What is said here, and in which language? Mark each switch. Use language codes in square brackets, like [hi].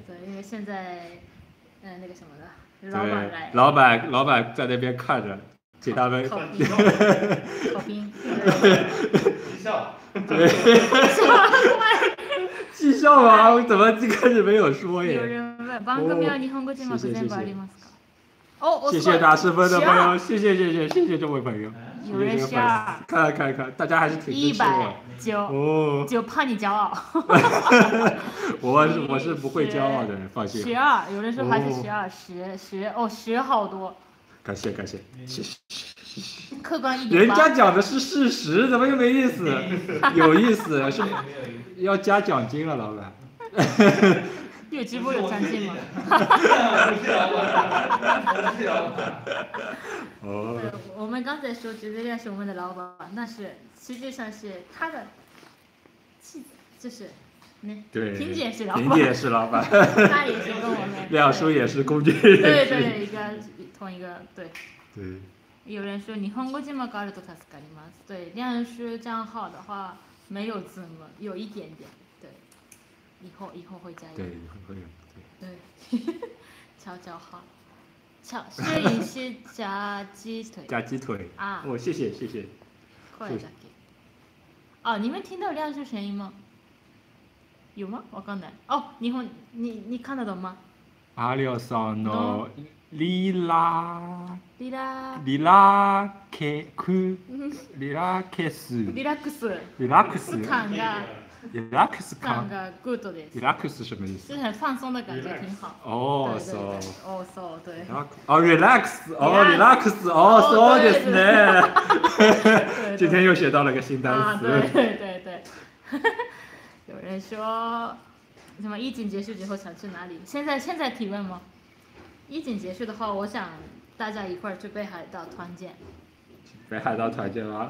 [zh] 对，因为现在，那个什么的，老板在那边看着。给他们考评，绩效，对，绩效吗？我怎么一开始没有说呀？有人问， [ja] 番組は日本語字幕全部ありますか？ [zh] 谢谢打10分的朋友，谢谢这位朋友。有人十二，看看看看，大家还是挺支持我。 190，就怕你骄傲。我是不会骄傲的人，放心。十二，有人说还是十二，十好多。感谢感谢，客观一点。人家讲的是事实，怎么又没意思？有意思是要加奖金了，老板。有直播有奖金吗？哦，我们刚才说直播间是我们的老板，那是实际上是他的妻子，就是。对，萍姐是老板，萍姐是老板，他也是跟我们亮叔也是工具人，对对，一个同一个，对对。有人说 [ja] 日本语字幕があると助かります。 [zh] 对，亮叔账号的话没有字幕，有一点点，对，以后会加油，对，以后会有，对对，悄悄好，悄，摄影师夹鸡腿，夹鸡腿啊，哦，谢谢谢谢，快点给，哦，你们听到亮叔声音吗？有吗？ [ja] わかんない。 [zh] 哦，日本，你看得懂吗？ [ja] 阿廖さんのリラリラリラケクリラケスリラックスリラックス感がリラックス感がグッドです。 [zh] リラックス什么意思？就是很放松的感觉，挺好。哦，so，对。 [en] 啊 ，relax， 哦 ，relax， 哦 ，so [zh] 对 [ja] ですね。 [zh] 今天又学到了个新单词。对对对。有人说什么疫情结束之后想去哪里，现在提问吗？疫情结束的话，我想大家一块儿去北海道团建。北海道团建吗？